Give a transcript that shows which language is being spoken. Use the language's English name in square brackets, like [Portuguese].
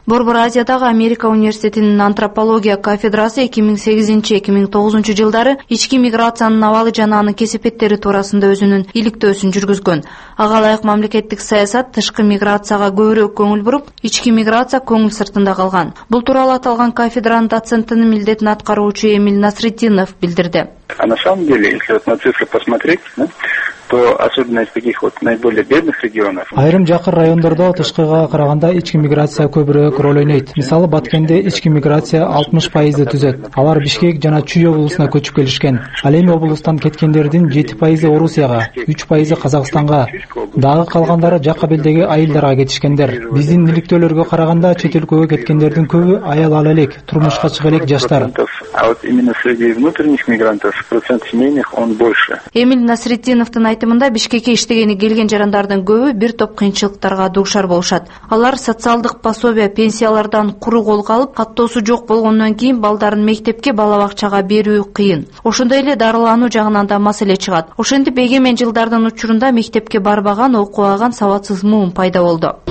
[Kyrgyz] Борбор Азиядагы Америка университетинин антропология кафедрасы 2008-2009 жылдары ички миграциянын абалы жана анын кесепеттери туурасында өзүнүн иликтөөсүн жүргүзгөн. Ага ылайык мамлекеттик саясат тышкы миграцияга көбүрөөк көңүл буруп, ички миграция көңүл сыртында калган. Бул тууралуу аталган кафедранын доцентинин милдетин аткаруучу Эмиль Насретдинов билдирди. [Russian] А на самом деле, если вот на цифры посмотреть, то особенно из таких вот наиболее бедных регионов. [Kyrgyz] Айрым жакыр райондордо тышкыга караганда ички миграция көбүрөөк роль ойнойт. Мисалы, Баткенде ички миграция 60% түзөт. Алар Бишкек жана Чүй облусуна көчүп келишкен. Ал эми облустан кеткендердин 7% Орусияга, 3% Казакстанга, дагы калгандары жакка белдеги айылдарга кетишкендер. Биздин иликтөөлөргө караганда чет өлкөгө кеткендердин көбү аял ала элек, турмушка чыга элек жаштар. [Russian] А вот именно среди внутренних мигрантов процент семейных он больше. [Kyrgyz] Эмиль Насретдинов айтымында Бишкекке иштегени келген жарандардын көбү бир топ кыйынчылыктарга дуушар болушат. Алар социалдык пособие, пенсиялардан куру кол калып, каттоосу жок болгондон кийин балдарын мектепке, бала бакчага берүү кыйын. Ошондой эле дарылануу жагынан да маселе чыгат. Ошентип эгемен жылдардын учурунда мектепке барбаган, окубаган саватсыз муун пайда болду.